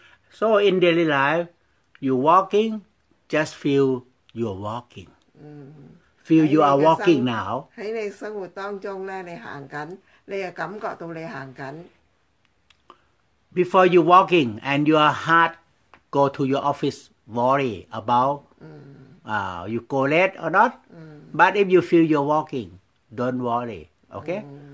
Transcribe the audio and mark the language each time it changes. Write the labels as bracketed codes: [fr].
[en] So in daily life, you walking, just feel you're walking. Feel you are walking now. [zh] 在你生活當中,你在走,你就感覺到你在走。 [en] Before you walking, and your heart go to your office, worry about you go late or not. But if you feel you're walking, don't worry, okay?